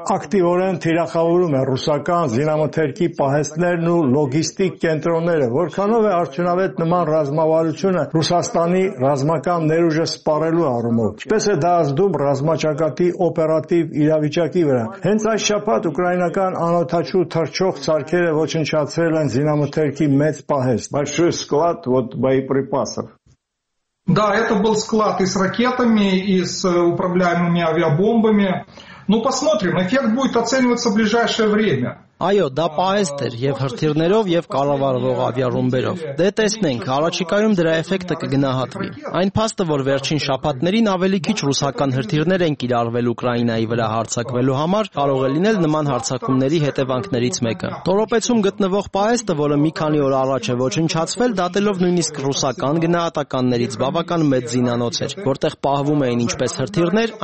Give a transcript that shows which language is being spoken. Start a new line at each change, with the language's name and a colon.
Armenian: ակտիվորեն թիրախավորում է ռուսական զինամթերքի պահեստներն ու լոգիստիկ կենտրոնները, որքանով է արդյունավետ նման ռազմավարությունը Ռուսաստանի ռազմական ներուժը սպառելու առումով։ Ինչպես է դա ազդում ռազմաճակատի օպերատիվ իրավիճակի վրա։ Հենց այս շաբաթ ուկրաինական անօթաչու թռչող ցարքերը ոչնչացրել են զինամթերքի մեծ պահեստ։
Russian: Большой склад вот боеприпасов. Да, это был склад и с ракетами, и с управляемыми авиабомбами. Ну, посмотрим, эффект будет оцениваться в ближайшее время.
Armenian: Այո, դա պահեստ էր եւ հրթիռներով եւ կառավարվող ավիառումբերով։ Դե տեսնենք, առաջիկայում դրա էֆեկտը կգնահատվի։ Այն փաստը, որ վերջին շաբաթներին ավելի քիչ ռուսական հրթիռներ են կիրառվել Ուկրաինայի վրա հարձակվելու համար, կարող է լինել նման հարձակումների հետևանքներից մեկը։ Տորոպեցում գտնվող պահեստը, որը մի քանի օր առաջ է ոչնչացվել, դատելով նույնիսկ ռուսական գնահատականներից բավական մեծ զինանոց էր, որտեղ պահվում էին ինչպես հրթիռներ,